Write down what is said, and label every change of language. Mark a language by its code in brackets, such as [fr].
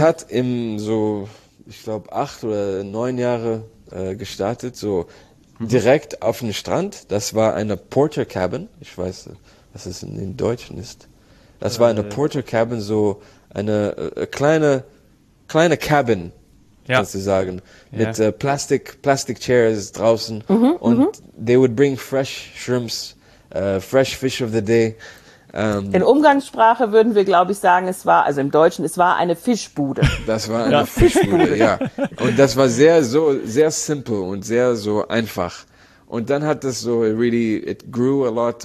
[de] hat im so, ich glaube, 8 oder 9 Jahre gestartet, so direkt auf dem Strand. Das war eine Porter Cabin. Ich weiß, was es in den Deutschen ist. Das war eine Porter Cabin, so eine kleine Cabin, kannst du sagen, mit Plastic Chairs draußen. [en] Und they would bring fresh shrimps, fresh fish of the day. [de] In Umgangssprache würden wir, glaube ich, sagen, es war, also im Deutschen, es war eine Fischbude. Das war eine Ja. Fischbude, ja. Und das war sehr simple und sehr so einfach. Und dann hat das so, [en] it grew a lot.